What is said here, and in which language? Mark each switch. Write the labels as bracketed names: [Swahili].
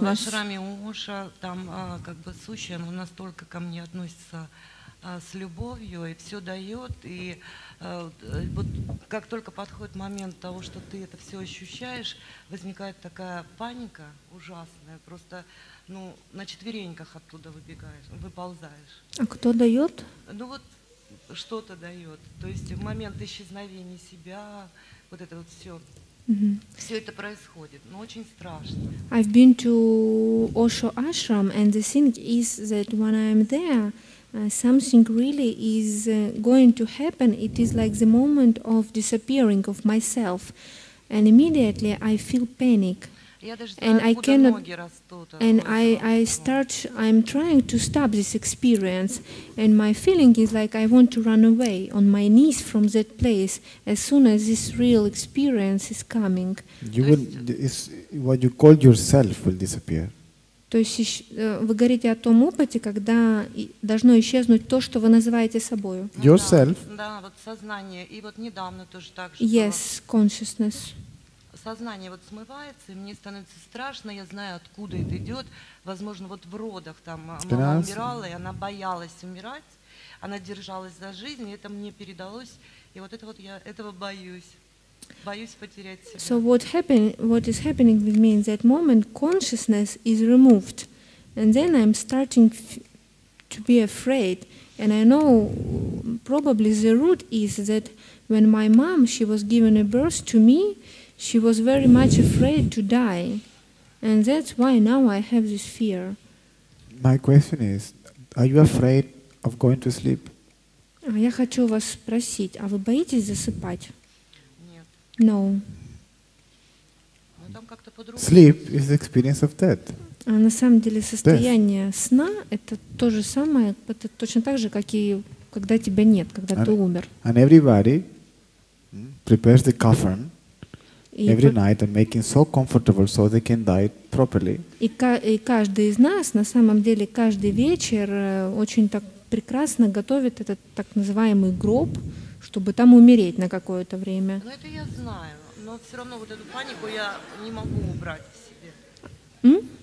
[Russian] Во шраме Уша, там как бы сущая, но настолько ко мне относится с любовью и все дает, и вот как только подходит момент того, что ты это все ощущаешь, возникает такая паника ужасная, просто ну на четвереньках оттуда выбегаешь, выползаешь. А кто дает? Ну вот что-то дает, то есть в момент исчезновения себя, вот это вот все. Mm-hmm. Все это происходит, но очень страшно. [English] I've been to Osho Ashram, and the thing is that when I'm there, something really is going to happen. It is like the moment of disappearing of myself, and immediately I feel panic, and I cannot. And I start. I'm trying to stop this experience, and my feeling is like I want to run away on my knees from that place as soon as this real experience is coming. You will. It's what you call yourself will disappear. [Russian] То есть вы говорите о том опыте, когда должно исчезнуть то, что вы называете собою. [English] Yourself. [Russian] Да, вот сознание. И вот недавно тоже так же. [English] Yes, consciousness. [Russian] Сознание вот смывается, и мне становится страшно, я знаю, откуда это идет. Возможно, вот в родах там мама умирала, и она боялась умирать. Она держалась за жизнь, и это мне передалось. И вот это вот я этого боюсь. [English] So what is happening with me in that moment, consciousness is removed, and then I'm starting to be afraid, and I know probably the root is that when my mom, she was given a birth to me, she was very much afraid to die, and that's why now I have this fear. My question is, are you afraid of going to sleep? [Russian] Я хочу вас спросить, а вы боитесь засыпать? [English] No. Sleep is the experience of death. [Russian] А на самом деле состояние death. Сна это то же самое, это точно так же, как и когда тебя нет, когда ты умер. [English] And everybody prepares the coffin every night and making so comfortable so they can die properly. [Russian] И каждый из нас на самом деле каждый вечер очень так прекрасно готовит этот так называемый гроб, чтобы там умереть на какое-то время. Ну это я знаю, но все равно вот эту панику я не могу убрать в себе.